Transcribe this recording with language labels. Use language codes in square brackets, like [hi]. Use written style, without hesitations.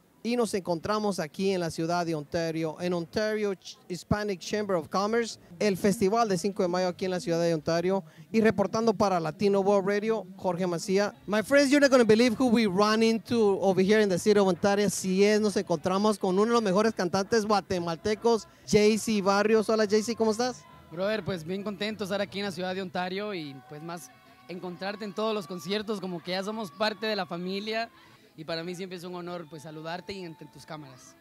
[es] Y nos encontramos aquí en la ciudad de Ontario, en Ontario Hispanic Chamber of Commerce, el Festival de 5 de Mayo aquí en la ciudad de Ontario. Y reportando para Latino World Radio, Jorge Mancia. [en] My friends, you're not going to believe who we run into over here in the city of Ontario. [es] Si es, nos encontramos con uno de los mejores cantantes guatemaltecos, JC Barrios. Hola, JC, ¿cómo estás? Brother, pues bien contento de estar aquí en la ciudad de Ontario y pues más encontrarte en todos los conciertos, como que ya somos parte de la familia y para mí siempre es un honor pues saludarte y entre tus cámaras.